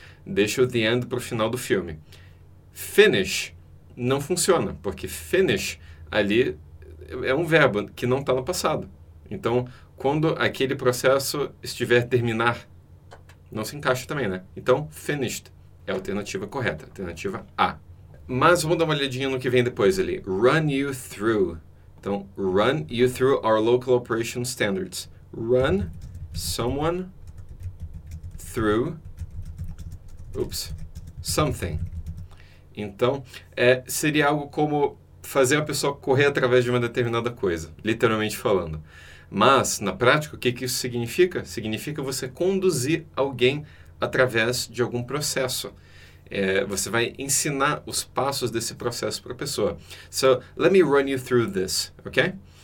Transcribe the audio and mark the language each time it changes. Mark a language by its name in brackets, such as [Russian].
[Portuguese] Deixa o the end para o final do filme. Finish não funciona, porque finish ali é um verbo que não está no passado. Então, quando aquele processo estiver terminar, não se encaixa também, né? Então, finished é a alternativa correta, alternativa A. Mas vamos dar uma olhadinha no que vem depois ali. [English] Run you through. [Portuguese] Então, [English] run you through our local operation standards. Run someone through, oops, something. [Portuguese] Então, seria algo como fazer a pessoa correr através de uma determinada coisa, literalmente falando. Mas, na prática, o que, que isso significa? Significa você conduzir alguém através de algum processo. Você vai ensinar os passos desse processo para a pessoa. [English] So, let me run you through this, ok?